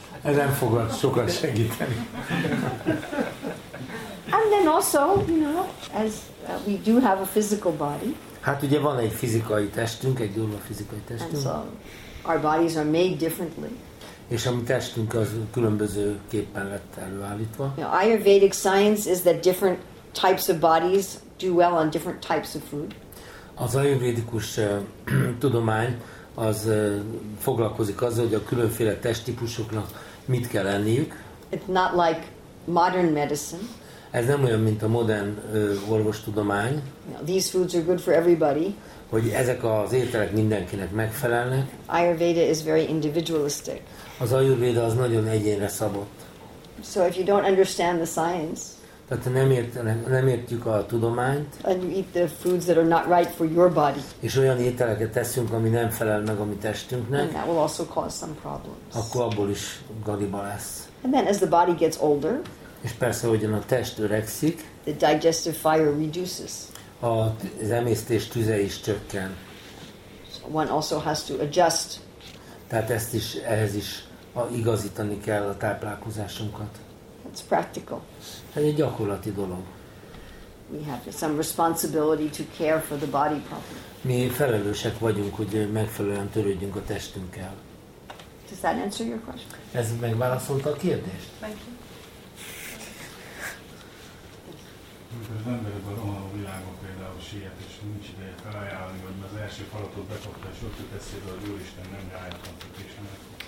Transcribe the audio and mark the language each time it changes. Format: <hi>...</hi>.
<hu>Ez nem fog sokat segíteni.</hu> <en>And then also, you know, as we do have a physical body.</en> <hu>Hát ugye van egy fizikai testünk, egy durva fizikai testünk.</hu> <en>And so our bodies are made differently.</en> <hu>És a mi testünk az különböző képpen lett előállítva.</hu> <en>You know, Ayurvedic science is that different types of bodies do well on different types of food.</en> <hu>Az ayurvédikus tudomány az foglalkozik azzal, hogy a különféle testtípusoknak mit kell lenniük.</hu> <en>It's not like modern medicine.</en> <hu>Ez nem olyan, mint a modern orvostudomány.</hu> <en>You know, these foods are good for everybody.</en> <hu>Hogy ezek az ételek mindenkinek megfelelnek.</hu> <en>Ayurveda is very individualistic.</en> <hu>Az ayurveda az nagyon egyénre szabott.</hu> <en>So if you don't understand the science,</en> <hu>tehát nem értjük a tudományt,</hu> <en>and you eat the foods that are not right for your body,</en> <hu>és olyan ételeket teszünk, ami nem felel meg a mi testünknek,</hu> <en>and that will also cause some problems.</en> <hu>Akkor abból is galiba lesz.</hu> <en>And then as the body gets older,</en> <hu>és persze, ahogyan a test öregszik,</hu> <en>the digestive fire reduces.</en> <hu>Az emésztés tüze is csökken.</hu> <en>So one also has to adjust.</en> <hu>Tehát ezt is, ehhez is igazítani kell a táplálkozásunkat.</hu> <en>It's practical.</en> <hu>Ez egy gyakorlati dolog.</hu> <en>We have some responsibility to care for the body properly.</en> <hu>Mi felelősek vagyunk, hogy megfelelően törődjünk a testünkkel.</hu> <en>Does that answer your question?</en> <hu>Ez megválaszolta a kérdést?</hu> <en>Thank you.</en> <hu>Az emberekben a világon például siet, és nincs ideje felajánlani, hogy az első falatot bekapta, és ott jut eszébe, hogy Úristen nem rájátott a késenek.</hu>